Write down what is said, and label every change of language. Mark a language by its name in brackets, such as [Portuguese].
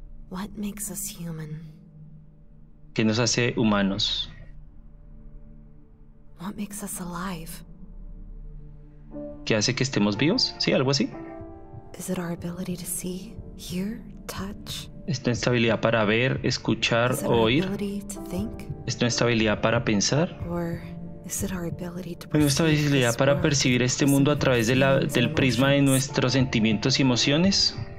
[English] What makes us human? [Spanish] ¿Qué nos hace humanos? [English] What makes us alive? [Spanish] ¿Qué hace que estemos vivos? Sí, algo así. [English] Is it our ability to see, hear, touch? [Spanish] ¿Es nuestra habilidad para ver, escuchar o oír? ¿Es nuestra habilidad para pensar? [English] Or... [Spanish] ¿Nuestra habilidad para percibir este mundo a través de del prisma de nuestros sentimientos y emociones?